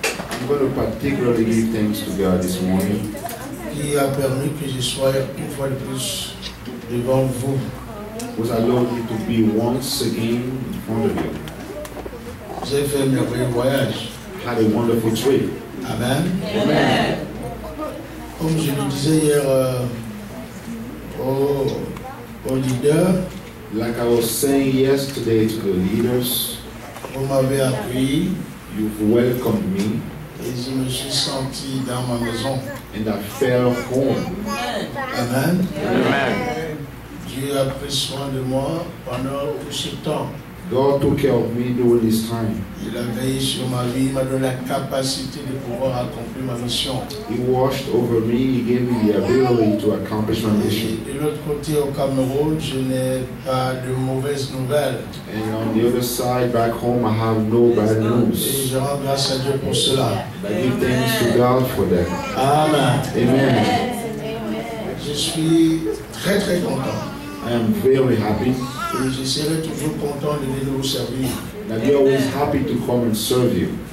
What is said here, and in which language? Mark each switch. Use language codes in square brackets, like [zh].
[en] I'm going to particularly give thanks to God this morning. [fr] Qui a permis que je sois une fois de plus devant vous. [en] Was allowed me to be once again in front of you. [fr] J'ai fait un merveilleux voyage. [en] Had a wonderful trip. Amen. Amen. [fr] Comme je le disais hier au leader. [en] Like I was saying yesterday to the leaders. [fr] Vous m'avez appuyé. [en] You've welcomed me. [fr] Et je me suis senti dans ma maison. [en] And I felt home. Amen. Amen. [fr] Dieu a pris soin de moi pendant tout ce temps. [en] God took care of me during this time. [fr] Il a veillé sur ma vie, m'a donné la capacité de pouvoir accomplir ma mission. [en] He watched over me, he gave me the ability to accomplish my mission. [fr] De l'autre côté, au Cameroun, je n'ai pas de mauvaises nouvelles. [en] And on the other side, back home, I have no bad news. [fr] Et je rends grâce à Dieu pour cela. [en] I give thanks to God for that. Amen. Amen. Amen. [fr] Je suis très très content. [en] I am very happy. [fr] Et je serai toujours content de venir vous servir. [en] That you are always happy to come and serve you.